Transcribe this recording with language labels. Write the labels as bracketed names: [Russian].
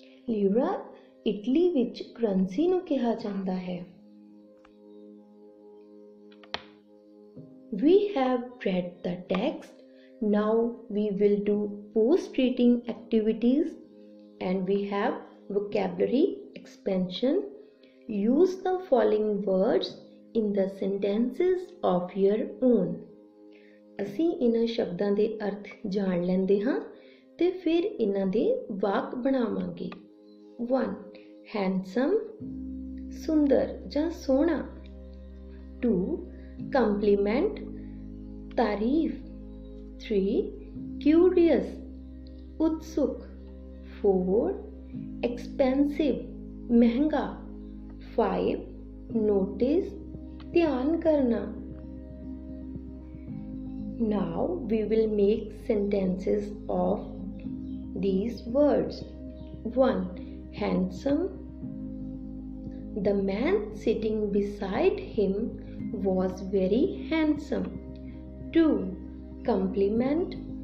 [Punjabi] ਲੀਰਾ Italy ਵਿੱਚ currency ਨੂੰ ਕਿਹਾ ਜਾਂਦਾ ਹੈ। [English] We have read the text, now we will do post reading activities and we have vocabulary expansion. Use the following words in the sentences of your own. [Punjabi] ਅਸੀਂ ਇਹਨਾਂ ਸ਼ਬਦਾਂ ਦੇ ਅਰਥ ਜਾਣ ਲੈਂਦੇ ਹਾਂ ਤੇ ਫਿਰ ਇਹਨਾਂ ਦੇ ਵਾਕ ਬਣਾਵਾਂਗੇ। 1. handsome ਸੁੰਦਰ ਜਾਂ ਸੋਹਣਾ। 2. compliment ਤਾਰੀਫ। 3. curious ਉਤਸੁਕ। 4. expensive ਮਹਿੰਗਾ। 5. notice ਧਿਆਨ ਕਰਨਾ। [English] Now we will make sentences of these words. 1. handsome. The man sitting beside him was very handsome. 2. compliment.